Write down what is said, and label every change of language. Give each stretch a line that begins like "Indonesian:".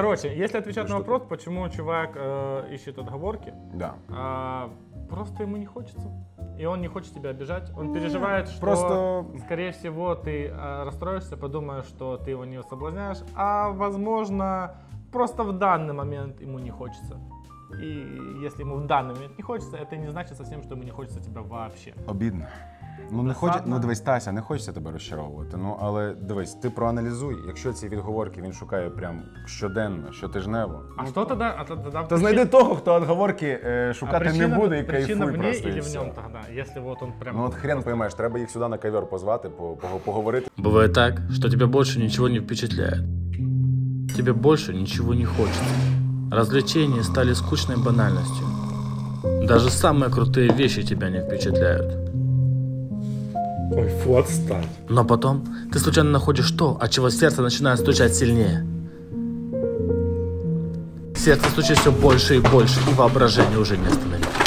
Ukrainian: Короче, якщо відповідати на вопрос, чому чувак
Russian: ищет отговорки,
Ukrainian: да. Просто йому не хочеться. І він не хоче тебе обіжати. Він переживає, що, просто... скоріше всього, ти розстроїшся, подумаєш, що ти його не соблазняєш, а, возможно, просто в даний момент йому не хочеться.
Russian: И если ему в данный момент не хочется, это не значит совсем, что ему не хочется тебя вообще. Обидно. Ну, не хоч...
Ukrainian: ну дивись, Тася, не хочеться тебе розчаровувати, ну, але дивись, ти проаналізуй, якщо ці відговорки він шукає прям щоденно, щотижнево. А що тоді? Причин... То знайди того, хто відговорки шукати не буде і кайфуй просто. А причина в ній і в ньому тоді, якщо от він прям... Ну от хрен поймаєш, треба їх сюди на ковер позвати, поговорити. Буває так, що тебе більше нічого не впечатляє. Тебе більше нічого не хочеться.
Russian: Развлечения стали скучной банальностью. Даже самые крутые вещи тебя не впечатляют. Ой, фу, отстань. Но потом ты случайно находишь то, от чего сердце начинает стучать сильнее. Сердце стучит все больше и больше, и воображение уже не остановит.